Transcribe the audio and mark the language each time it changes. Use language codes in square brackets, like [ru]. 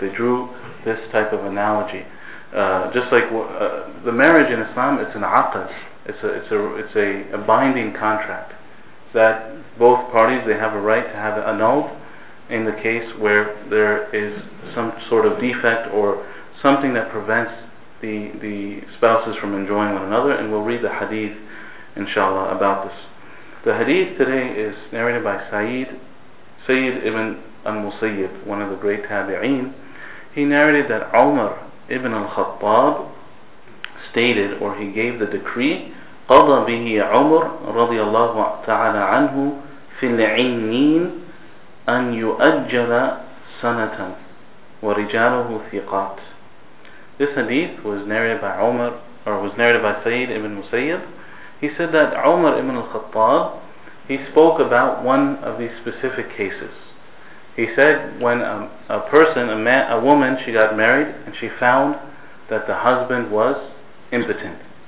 [en] They drew this type of analogy. The marriage in Islam, it's an aqd, it's a binding contract that both parties, they have a right to have it annulled in the case where there is some sort of defect or something that prevents the spouses from enjoying one another. And we'll read the hadith, inshallah, about this. The hadith today is narrated by Sayyid ibn al-Musayyib, one of the great tabi'een. He narrated that Umar Ibn al-Khattab stated, or he gave the decree, [ar] قَضَى بِهِ عُمْرُ رَضِيَ اللَّهُ تَعَالَى عَنْهُ فِي الْعِنِّينَ أَنْ يُؤَجَّلَ سَنَةً وَرِجَالُهُ ثِقَاتٌ. [en] This hadith was narrated by Umar, or was narrated by Sayyid ibn Musayyib. He said that Umar ibn al-Khattab, he spoke about one of these specific cases. He said when a woman, she got married and she found that the husband was impotent.